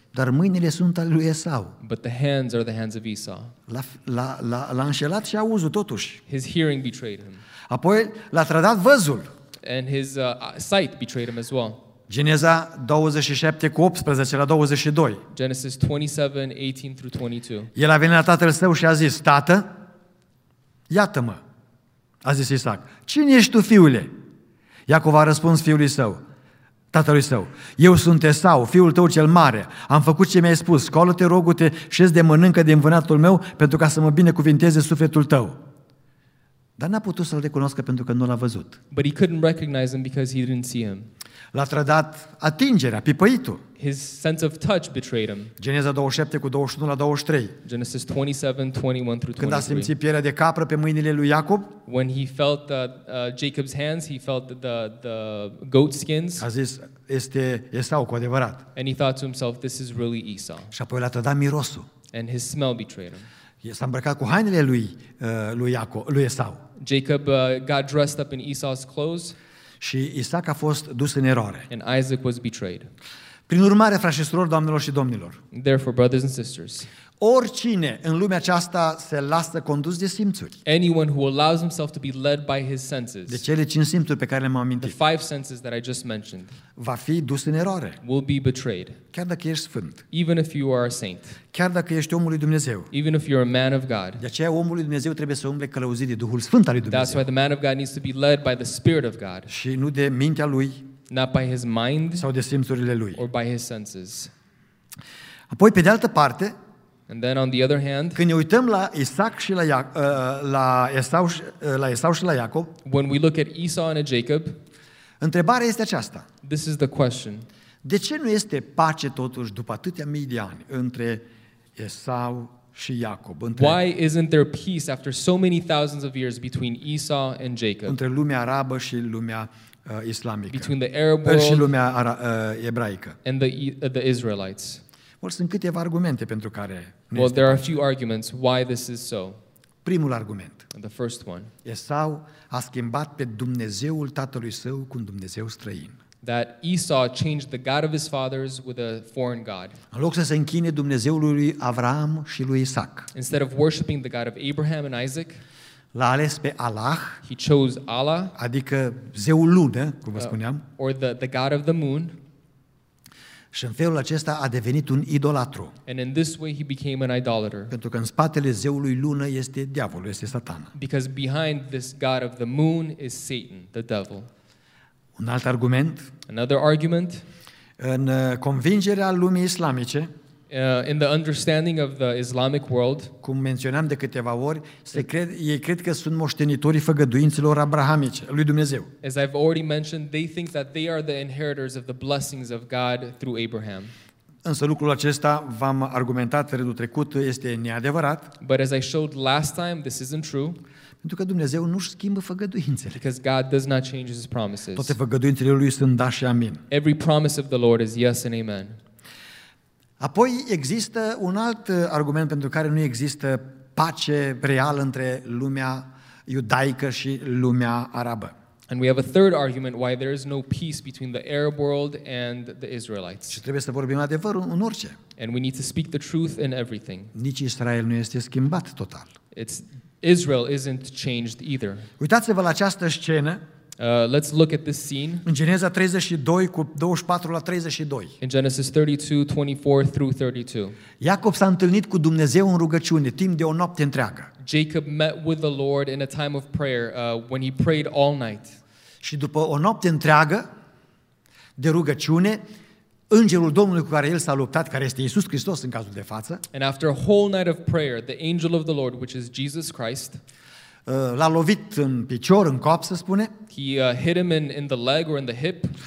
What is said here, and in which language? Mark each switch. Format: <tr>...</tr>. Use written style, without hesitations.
<ro>Dar mâinile sunt ale lui Esau.</ro> <en>But the hands are the hands of Esau.</en> <ro>L-a înșelat și auzul totuși.</ro> <en>His hearing betrayed him.</en> <ro>Apoi l-a trădat văzul.</ro> <en>And his sight betrayed him as well.</en> <ro>Geneza 27 cu 18 la 22.</ro> <en>Genesis 27, 18 through 22.</en> <ro>El a venit la tatăl său și a zis: Tată, iată-mă. A zis Isaac: Cine ești tu, fiule? Iacov a răspuns tatălui său: Eu sunt Esau, fiul tău cel mare. Am făcut ce mi-ai spus. Scoală-te, rogu-te, șezi de mănâncă din vânatul meu, pentru ca să mă binecuvinteze sufletul tău. Dar n-a putut să-l recunoască pentru că nu l-a văzut.</ro> <en>But he couldn't recognize him because he didn't see him.</en> <ro>L-a trădat atingerea, pipăitul.</ro> <en>His sense of touch betrayed him.</en> <ro>Geneza 27 cu 21 la 23.</ro> <en>Genesis 27, 21 through 23.</en> <ro>Când a simțit pielea de capră pe mâinile lui Iacob,</ro> <en>when he felt Jacob's hands, he felt the goat skins.</en> <ro>A zis: Este Esau cu adevărat.</ro> <en>And he thought to himself, this is really Esau.</en> <ro>Și apoi l-a trădat mirosul.</ro> <en>And his smell betrayed him.</en> <ro>S-a îmbrăcat cu hainele lui Esau.</ro> <en>Jacob got dressed up in Esau's clothes.</en> <ro>Și Isaac a fost dus în eroare.</ro> <en>And Isaac was betrayed.</en> <ro>Prin urmare, frați și surori, doamnelor și domnilor.</ro> <en>Therefore, brothers and sisters.</en> <ro>Oricine în lumea aceasta se lasă condus de simțuri.</ro> <en>Anyone who allows himself to be led by his senses.</en> <ro>De cele cinci simțuri pe care le-am amintit.</ro> <en>The five senses that I just mentioned.</en> <ro>Va fi dus în eroare.</ro> <en>Will be betrayed.</en> <ro>Chiar dacă ești sfânt.</ro> <en>Even if you are a saint.</en> <ro>Chiar dacă ești omul lui Dumnezeu.</ro> <en>Even if you are a man of God.</en> <ro>De aceea omul lui Dumnezeu trebuie să umble călăuzit de Duhul Sfânt al lui Dumnezeu.</ro> <en>That's why the man of God needs to be led by the Spirit of God.</en> <ro>Și nu de mintea lui.</ro> <en>Not by his mind.</en> <ro>Sau de simțurile lui.</ro> <en>Or by his senses.</en> <ro>Apoi, pe de altă parte,</ro> <en>and then on the other hand,</en> <ro>când ne uităm la Isaac și la Esau și la Iacob,</ro> <en>when we look at Esau and Jacob,</en> <ro>întrebarea este aceasta.</ro> <en>This is the question.</en> <ro>De ce nu este pace totuși după atâtea mii de ani între Esau și Iacob?</ro> <en>Why isn't there peace after so many thousands of years between Esau and Jacob?</en> <ro>Între lumea arabă și lumea islamică.</ro> <en>Between the Arab world</en> <ro>și lumea ebraică.</ro> <en>And the Israelites. Well,</en> <ro>sunt câteva argumente pentru care</ro> <en>there are a few arguments why this is so.</en> <ro>Primul argument.</ro> <en>The first one.</en> <ro>Esau a schimbat pe Dumnezeul tatălui său cu un Dumnezeu străin.</ro> <en>That Esau changed the God of his fathers with a foreign God.</en> <ro>În loc să se închine Dumnezeului lui Avram și lui Isaac.</ro> <en>Instead of worshiping the God of Abraham and Isaac.</en> <ro>L-a ales pe Allah.</ro> <en>He chose Allah.</en> <ro>Adică zeul lună, cum vă spuneam.</ro> <en>Or the God of the moon.</en> <ro>Și în felul acesta a devenit un idolatru.</ro> <en>And in this way he became an idolater.</en> <ro>Pentru că în spatele zeului lună este diavolul, este Satan.</ro> <en>Because behind this god of the moon is Satan, the devil.</en> <ro>Un alt argument.</ro> <en>Another argument.</en> <ro>În convingerea lumii islamice.</ro> <en>In the understanding of the Islamic world.</en> <ro>Cum menționam de câteva ori, ei cred că sunt moștenitorii făgăduințelor abrahamice, lui Dumnezeu.</ro> <en>As I've already mentioned, they think that they are the inheritors of the blessings of God through Abraham.</en> <ro>Însă lucrul acesta, v-am argumentat felul trecut, este neadevărat.</ro> <en>But as I showed last time, this isn't true.</en> <ro>Pentru că Dumnezeu nu își schimbă făgăduințele.</ro> <en>Because God does not change his promises.</en> <ro>Toate făgăduințele lui sunt da și amin.</ro> <en>Every promise of the Lord is yes and amen.</en> <ro>Apoi există un alt argument pentru care nu există pace reală între lumea iudaică și lumea arabă.</ro> <en>And we have a third argument why there is no peace between the Arab world and the Israelites.</en> <ro>Și trebuie să vorbim adevărul în orice.</ro> <en>And we need to speak the truth in everything.</en> <ro>Nici Israel nu este schimbat total.</ro> <en>Israel isn't changed either.</en> <ro>Uitați-vă la această scenă.</ro> <en>Let's look at this scene.</en> <ro>În Geneza 32 cu 24 la 32.</ro> <en>In Genesis 32, 24 through 32.</en> <ro>Iacob s-a întâlnit cu Dumnezeu în rugăciune timp de o noapte întreagă.</ro> <en>Jacob met with the Lord in a time of prayer when he prayed all night.</en> <ro>Și după o noapte întreagă de rugăciune, îngerul Domnului cu care el s-a luptat, care este Iisus Hristos în cazul de față.</ro> <en>And after a whole night of prayer, the angel of the Lord, which is Jesus Christ,</en> <ro>l-a lovit în picior, în cap, se spune.</ro> <en>He hit him in the leg or in the hip.</en>